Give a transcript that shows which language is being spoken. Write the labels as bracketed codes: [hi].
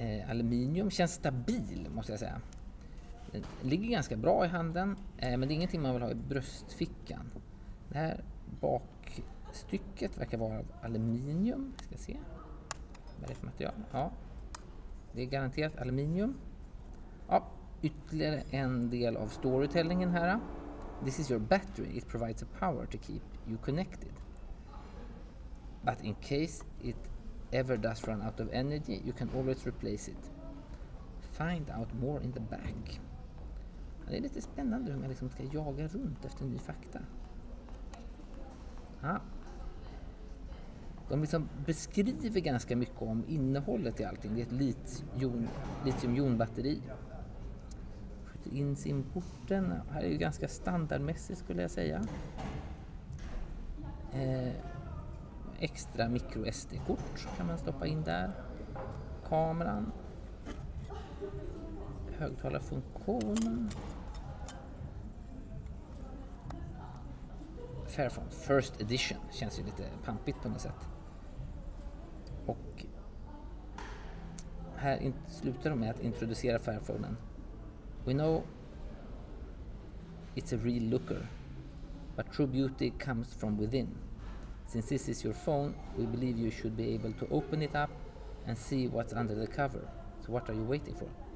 [sv] Aluminium känns stabil, måste jag säga. ligger ganska bra i handen, men det är ingenting man vill ha i bröstfickan. Det här bakstycket verkar vara av aluminium. Vi ska se. Vad är det för material? Ja. Det är garanterat aluminium. Ja, ytterligare en del av storytellingen här. [en] This is your battery. It provides a power to keep you connected. But in case it ever does run out of energy, you can always replace it. Find out more in the back. [sv] Ja, det är lite spännande hur man liksom ska jaga runt efter ny fakta. Ja. De liksom beskriver ganska mycket om innehållet i allting. Det är ett litiumjonbatteri. Skjuter in sig in porten. Här är ju ganska standardmässigt skulle jag säga. Extra micro SD-kort kan man stoppa in där. Kameran. Högtalarfunktionen. Fairphone First Edition. Känns ju lite pampigt på något sätt. Och här slutar de med att introducera Fairphonen. [en] We know it's a real looker, but true beauty comes from within. Since this is your phone, we believe you should be able to open it up and see what's under the cover. So what are you waiting for?